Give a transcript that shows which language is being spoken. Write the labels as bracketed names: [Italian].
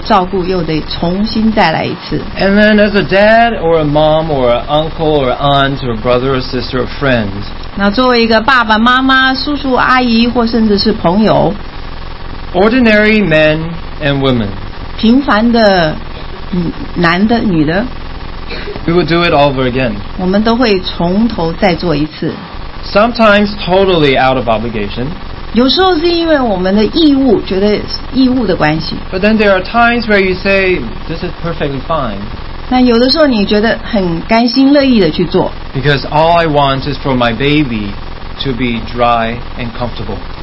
[Chinese] 这样子很温柔的这样子的照顾又得重新再来一次。 [English] And then as a dad or a mom or an uncle or an aunt or a brother or sister or friend. [Chinese] 那作为一个爸爸妈妈、叔叔阿姨或甚至是朋友。 [English] Ordinary men and women. [Chinese] 平凡的男的女的。 [English] We will do it all over again. [Chinese] 我们都会从头再做一次。 [English] Sometimes totally out of obligation. [Chinese] 有时候是因为我们的义务，觉得义务的关系。 [English] But then there are times where you say, this is perfectly fine. [Chinese] 那有的时候你觉得很甘心乐意的去做。 [English] Because all I want is for my baby to be dry and comfortable.